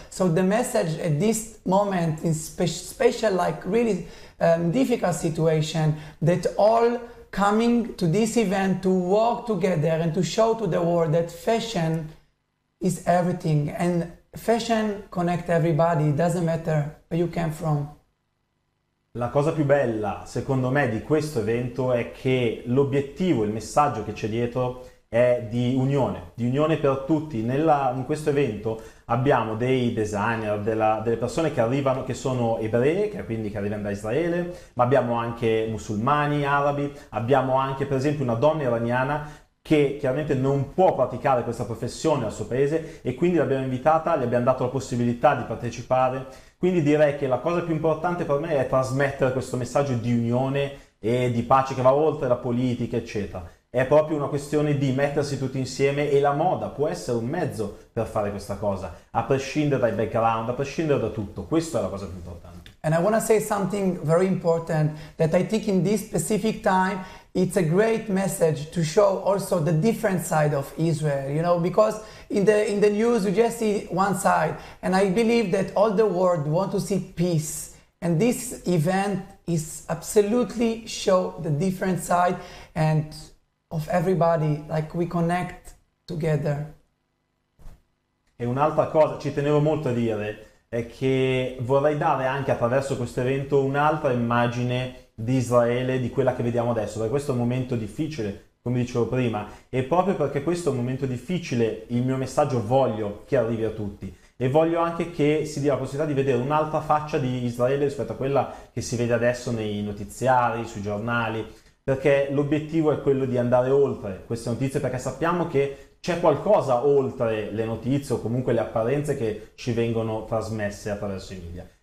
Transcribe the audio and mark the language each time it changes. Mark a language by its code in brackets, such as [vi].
[en] So the message at this moment is special, like really difficult situation, that all coming to this event to work together and to show to the world that fashion is everything, and fashion connect everybody, it doesn't matter where you came from. [it] La cosa più bella, secondo me, di questo evento è che l'obiettivo, il messaggio che c'è dietro è di unione per tutti. In questo evento abbiamo dei designer, delle persone che arrivano, che sono ebree, che arrivano da Israele, ma abbiamo anche musulmani, arabi, abbiamo anche per esempio una donna iraniana che chiaramente non può praticare questa professione al suo paese, e quindi l'abbiamo invitata, gli abbiamo dato la possibilità di partecipare. Quindi direi che la cosa più importante per me è trasmettere questo messaggio di unione e di pace che va oltre la politica, eccetera. È proprio una questione di mettersi tutti insieme, e la moda può essere un mezzo per fare questa cosa, a prescindere dai background, a prescindere da tutto. Questa è la cosa più importante. [en] And I want to say something very important, that I think in this specific time it's a great message to show also the different side of Israel, you know, because in the news you just see one side, and I believe that all the world want to see peace, and this event is absolutely show the different side and of everybody, like we connect together. [it] E un'altra cosa ci tenevo molto a dire è che vorrei dare anche attraverso questo evento un'altra immagine di Israele, di quella che vediamo adesso, perché questo è un momento difficile, come dicevo prima, e proprio perché questo è un momento difficile, il mio messaggio voglio che arrivi a tutti e voglio anche che si dia la possibilità di vedere un'altra faccia di Israele rispetto a quella che si vede adesso nei notiziari, sui giornali, perché l'obiettivo è quello di andare oltre queste notizie, perché sappiamo che c'è qualcosa oltre le notizie o comunque le apparenze che ci vengono trasmesse attraverso i media.